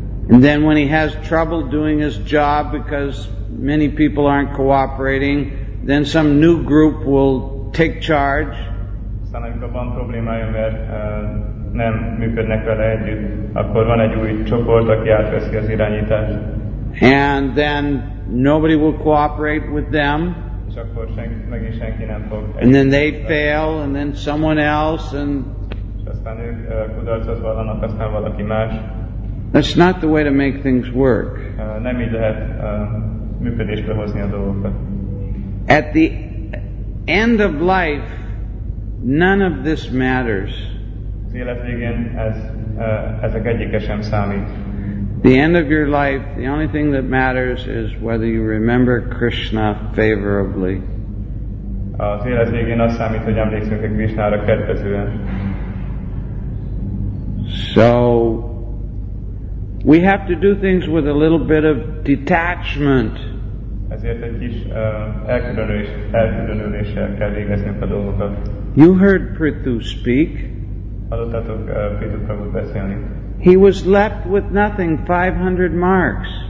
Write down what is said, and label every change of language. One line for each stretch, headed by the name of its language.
English: And then when he has trouble doing his job because many people aren't cooperating, then some new group will take charge.
Hungarian: Aztán amikor van problémája, mert nem működnek vele együtt, akkor van egy új csoport, aki átveszi az irányítást.
English: And then nobody will cooperate with them.
Hungarian: És akkor megint senki nem fog.
English: And then they fail, and then someone else, and
Hungarian: aztán ők kudarcot vallanak, aztán valaki más.
English: That's not the way to make things work.
Hungarian: Nem így lehet működésbe hozni a dolgokat.
English: At the end of life, none of this matters.
Hungarian: Az élet végén ezek egyike sem számít.
English: The end of your life, the only thing that matters is whether you remember Krishna favorably.
Hungarian: Az élet végén az számít, hogy emlékszünk egy Krishnára kedvezően.
English: So we have to do things with a little bit of detachment.
Hungarian: Ezért egy kis elkülönüléssel kell végeznünk a dolgokat.
English: You heard Prithu speak.
Hungarian: Hallottatok Prithu Prabhu beszélni.
English: He was left with nothing, 500 marks.